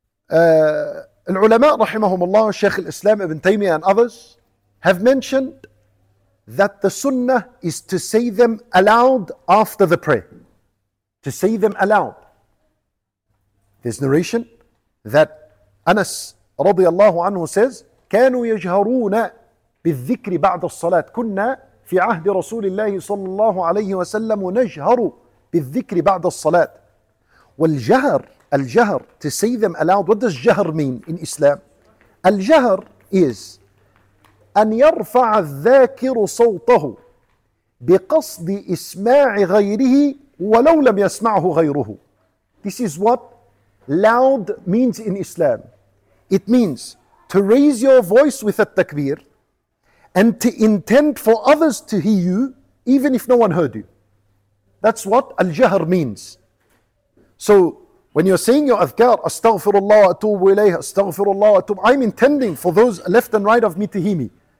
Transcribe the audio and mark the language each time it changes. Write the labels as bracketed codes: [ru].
[en] Al-ulama, rahimahumullah, Shaykh al-Islam ibn Taymiyyah and others have mentioned that the sunnah is to say them aloud after the prayer. To say them aloud. There's narration that Anas radiallahu anhu says, [ar] كانوا يجهرون بالذكر بعد الصلاة كنا في عهد رسول الله صلى الله عليه وسلم نجهر بالذكر بعد الصلاة. والجهر, الجهر, [en] to say them aloud, what does جهر mean in Islam? [ar] الجهر is أن يرفع الذاكر صوته بقصد إسماع غيره ولو لم يسمعه غيره. [en] This is what loud means in Islam. It means to raise your voice with a takbir and to intend for others to hear you even if no one heard you. That's what al-jahr means. So when you're saying your adhkar, [ar] astaghfirullah wa atubu ilayh, astaghfirullah wa atubu, [en] I'm intending for those left and right of me to hear me.